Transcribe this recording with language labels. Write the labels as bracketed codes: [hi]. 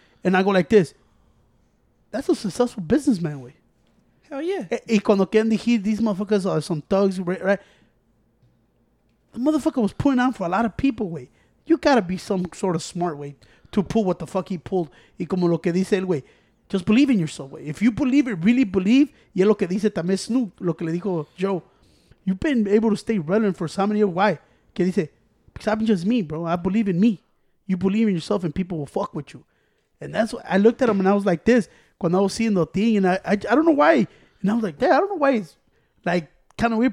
[en] And I go like this. That's a successful businessman, way. Hell yeah. [es] Y cuando [en] Candy Heat, these motherfuckers are some thugs, right? The motherfucker was putting on for a lot of people, way. You got to be some sort of smart way to pull what the fuck he pulled. [es] Y como lo que dice el [en] way, just believe in yourself, way. If you believe it, really believe. [es] Y lo que dice también Snoop, lo que le dijo Joe. [en] You've been able to stay relevant for so many years. Why? [es] Que dice... [en] Because I'm just me, bro. I believe in me. You believe in yourself and people will fuck with you. And that's what I looked at him and I was like this. When I was seeing the thing and I don't know why. And I was like, damn, I don't know why it's like kind of weird.